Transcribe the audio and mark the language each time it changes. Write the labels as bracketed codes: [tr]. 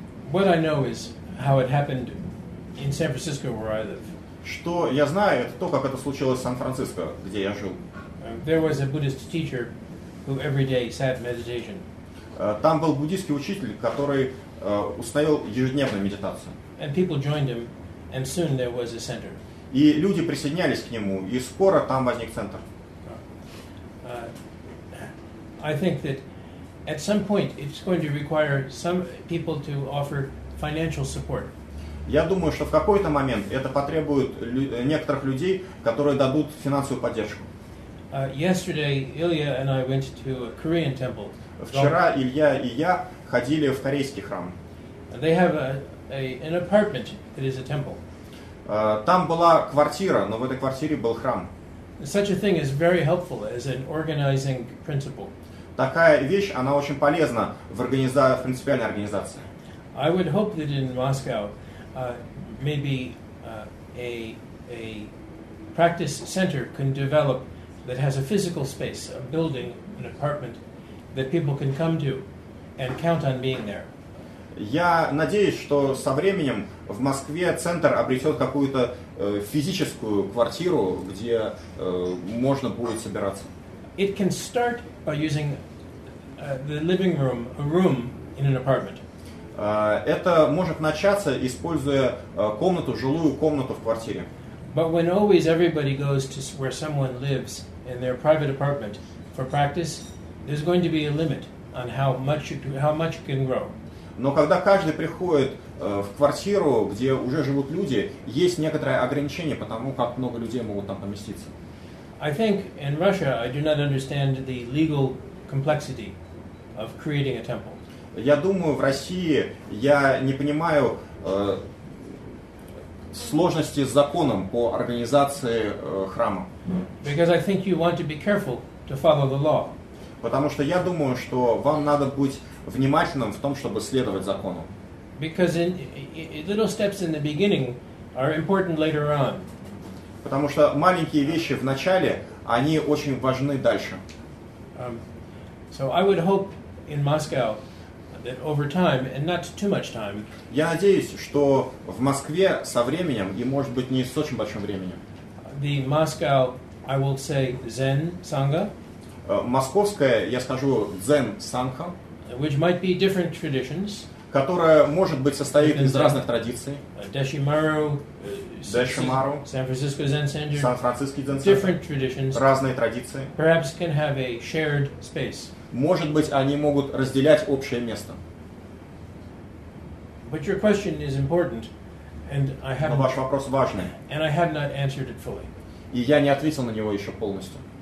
[en] What I know is how it happened in San Francisco, where I live. [ru] Что я знаю, это то, как это случилось в Сан-Франциско, где я жил. [en] There was a Buddhist teacher who every day sat in meditation. [ru] Там был буддийский учитель, который установил ежедневную медитацию. [en] And people joined him, and soon there was a center. [ru] И люди присоединялись к нему, и скоро там возник центр. [en] I think that at some point it's going to require some people to offer financial support. [ru] Я думаю, что в какой-то момент это потребует некоторых людей, которые дадут финансовую поддержку. [en] Yesterday, Ilya and I went to a Korean temple. [ru] Вчера Илья и я ходили в корейский храм. [en] And they have an apartment that is a temple. [ru] Там была квартира, но в этой квартире был храм. [en] Such a thing is very helpful as an organizing principle. [ru] Такая вещь, она очень полезна в принципиальной организации. [en] I would hope that in Moscow, maybe a practice center can develop that has a physical space, a building, an apartment that people can come to and count on being there. [ru] Я надеюсь, что со временем в Москве центр обретет какую-то физическую квартиру, где можно будет собираться. [en] It can start by using the living room, a room in an apartment. [ru] Это может начаться, используя комнату, жилую комнату в квартире. [en] But when always everybody goes to where someone lives in their private apartment for practice, there's going to be a limit on how much you can grow. [ru] Но когда каждый приходит в квартиру, где уже живут люди, есть некоторое ограничение по тому, как много людей могут там поместиться. [en] I think in Russia I do not understand the legal complexity of creating a temple. [ru] Я думаю, в России я не понимаю сложности с законом по организации храма. [en] Because I think you want to be careful to follow the law. [ru] Потому что я думаю, что вам надо быть внимательным в том, чтобы следовать закону. [en] Because little steps in the beginning are important later on. [ru] Потому что маленькие вещи в начале, они очень важны дальше. [en] So I would hope in Moscow that over time and not too much time. [ru] Я надеюсь, что в Москве со временем и, может быть, не с очень большим временем. [en] The Moscow, I will say, Zen Sangha. [ru] Московская, я скажу, Zen Sangha. [en] Which might be different traditions. [ru] Которая, может быть, состоит из разных традиций. [en] Deshimaru, San Francisco Zen Center. [ru] Сан-Франциский Zen Center. [en] Different traditions. [ru] Разные традиции. [en] Perhaps can have a shared space. [ru] Может быть, они могут разделять общее место. [en] But your question is important, and I have. [ru] Но ваш вопрос важный. [en] And I have not answered it fully. [ru] И я не ответил на него еще полностью.